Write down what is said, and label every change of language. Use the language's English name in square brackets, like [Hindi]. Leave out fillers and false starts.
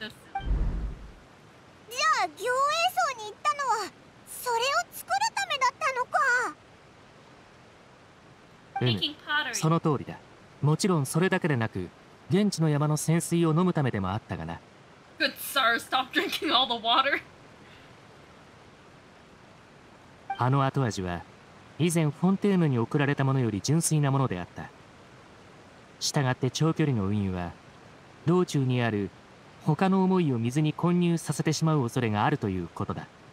[Japanese] じゃあ、行営層に行ったのはそれを作るためだったのか。うん、その通りだ。もちろんそれだけでなく、現地の山の泉水を飲むためでもあったがな。 [English] Good sir, stop drinking all the water. [Japanese] あの後味は以前フォンテーヌに送られたものより純粋なものであった。したがって長距離の運輸は道中にある他の思いを水に混入させてしまう恐れがあるということだ。